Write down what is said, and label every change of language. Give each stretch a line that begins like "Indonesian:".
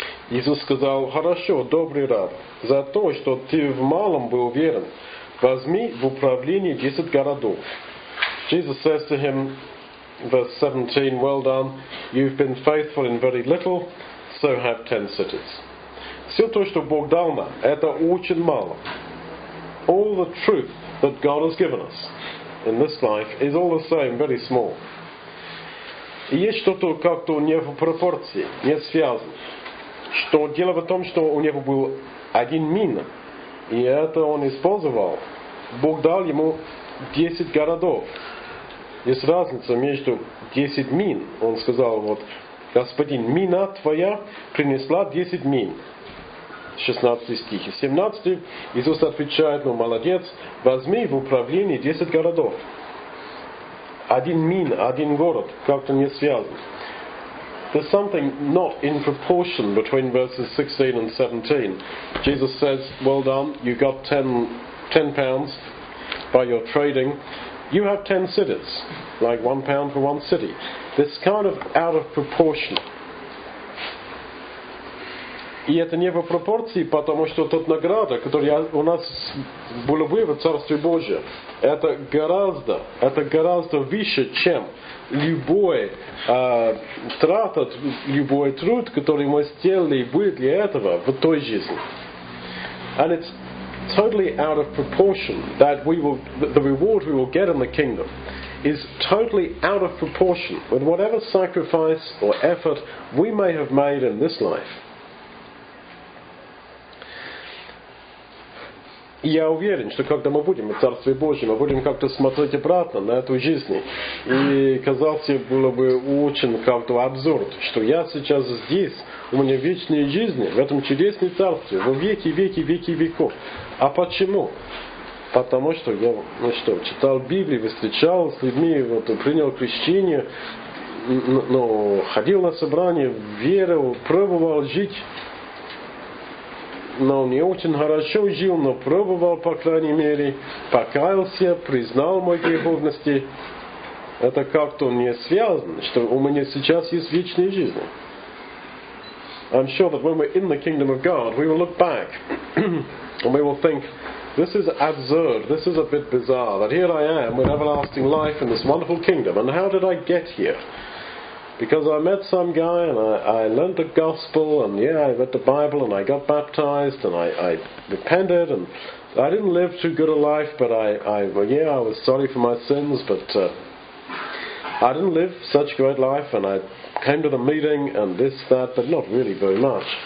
Russian: Иисус сказал, хорошо, добрый раб, за то, что ты в малом был верен, возьми в управление 10 городов.
English: Jesus says to him, verse 17, well done, you've been faithful in very little, so have 10 cities.
Russian: Все то, что Бог дал нам, это очень мало.
English: All the truth that God has given us in this life is all the same, very small.
Russian: И есть что-то как-то не в пропорции, не связано. Что дело в том, что у него был один мин, и это он использовал. Бог дал ему 10 городов. Есть разница между 10 мин. Он сказал, вот, Господин, мина твоя принесла 10 мин. 16 стих. 17. Иисус отвечает, ну, молодец, возьми в управление 10 городов. Один мин, один город, как-то не связан.
English: There's something not in proportion between verses 16 and 17. Jesus says, well done, you got 10 pounds by your trading. You have 10 cities, like 1 pound for one city. This kind of out of proportion.
Russian: И это не в пропорции, потому что тот награда, который у нас был бы в Царстве Божьем, это гораздо выше, чем любой трата, любой труд, который мы сделали бы для этого в той жизни.
English: And it's totally out of proportion that we will, the reward we will get in the kingdom is totally out of proportion with whatever sacrifice or effort we may have made in this life.
Russian: И я уверен, что когда мы будем в Царстве Божьем, мы будем как-то смотреть обратно на эту жизнь. И казалось было бы очень как-то абсурд, что я сейчас здесь, у меня вечные жизни, в этом чудесном царстве, во веки, веки, веки, веков. А почему? Потому что я, ну что, читал Библию, встречал с людьми, вот, принял крещение, ну, ходил на собрание, верил, пробовал жить. Но не очень хорошо жил, но пробовал, по крайней мере, покаялся, признал мои греховности. Это как-то не связано, что у меня сейчас есть вечная жизнь.
English: I'm sure that when we're in the kingdom of God, we will look back and we will think, this is absurd, this is a bit bizarre, that here I am with everlasting life in this wonderful kingdom, and how did I get here? because I met some guy and I learned the gospel and yeah, I read the Bible and I got baptized and I repented and I didn't live too good a life, but I was sorry for my sins, but I didn't live such a great life, and I came to the meeting and this, that, but not really very much.